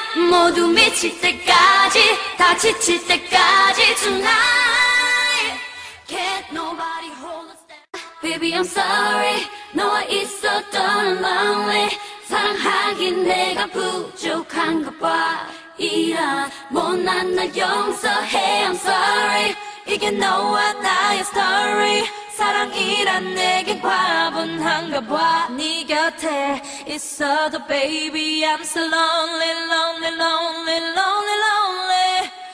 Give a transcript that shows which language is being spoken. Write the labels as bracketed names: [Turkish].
[Korean] 모두 미칠 때까지 다 지칠 때까지 tonight. [English] Can't nobody hold us down. Baby I'm sorry [Korean] 너와 있었던 [English] lonely. [Korean] 사랑하긴 내가 부족한 것 봐. 이런 못난 나 용서해. [English] I'm sorry [Korean] 이게 너와 나의 story. 사랑이란 내겐 과분한가 봐. 네 곁에 있어도 [English] baby I'm so lonely, lonely, lonely, lonely, lonely.